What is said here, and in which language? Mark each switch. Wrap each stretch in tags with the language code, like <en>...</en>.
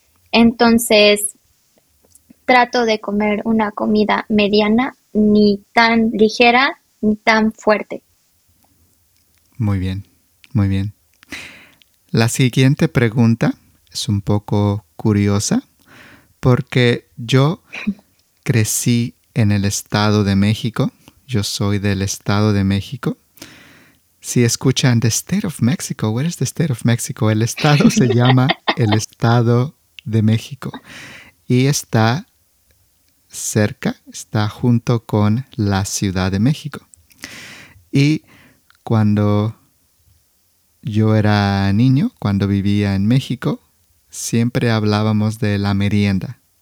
<es>Entonces, trato de comer una comida mediana, ni tan ligera ni tan fuerte. Muy bien, muy bien. La siguiente pregunta es un poco curiosa porque yo crecí en el Estado de México. Yo soy del Estado de México. Si escuchan</es> <en>The State of Mexico, where is the State of Mexico?</en> <es>El estado se llama el Estado de México y está cerca, está junto con la Ciudad de México. Y cuando yo era niño, cuando vivía en México, siempre hablábamos de la merienda.</es>